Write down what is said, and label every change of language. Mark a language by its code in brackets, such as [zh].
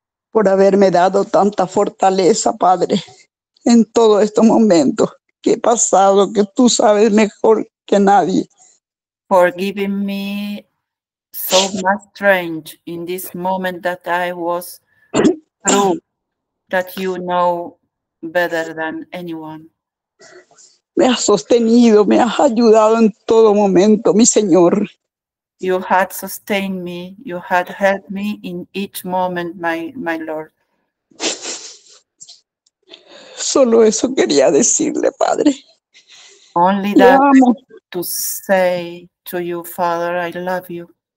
[es] Por haberme dado tanta fortaleza, Padre, en todo este momento que he pasado, que tú sabes mejor que nadie. [en] For giving me so much strength in this moment that I was through, that you know better than anyone. [es] Me has sostenido, me has ayudado en todo momento, mi Señor. [en] You had sustained me, you had helped me in each moment, my Lord. [es] Solo eso quería decirle, Padre. [en] Only that [es] amo. [en] To say to you, Father, I love you.